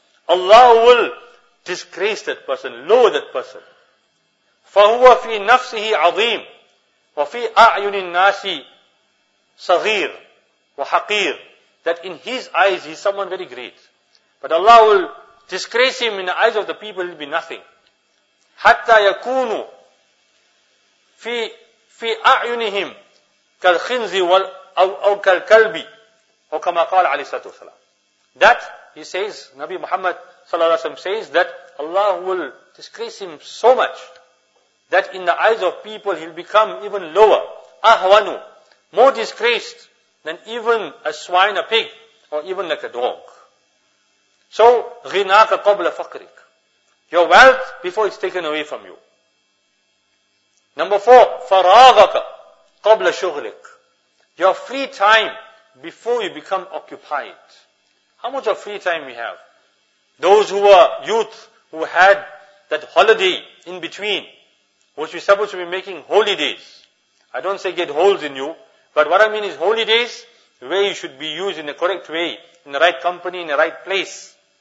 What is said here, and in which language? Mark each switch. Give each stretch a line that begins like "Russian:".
English: Allah will disgrace that person, lower that person.
Arabic: فَهُوَ فِي نَفْسِهِ عَظِيمٌ وَفِي أَعْيُنِ النَّاسِ صَغِيرٌ وَحَقِيرٌ.
English: That in his eyes he is someone very great. But Allah will disgrace him in the eyes of the people, he will be nothing.
Arabic: حَتَّى يَكُونُ في أعينهم كالخنز وال أو كالكلب أو كما قال عليه الصلاة والسلام.
English: That he says, Nabi Muhammad
Arabic: صلى الله عليه وسلم
English: says that Allah will disgrace him so much that in the eyes of people he'll become even lower, أهونه, more disgraced than even a swine, a pig, or even like a dog. So,
Arabic: غِنَاكَ قَبْلَ فَقْرِكَ.
English: Your wealth before it's taken away from you. Number four,
Arabic: فَرَاغَكَ قَبْلَ شُغْلِكَ.
English: Your free time before you become occupied. How much of free time we have? Those who were youth, who had that holiday in between, which we're supposed to be making holidays. I don't say get holes in you, but what I mean is holidays, where you should be used in the correct way, in the right company, in the right place.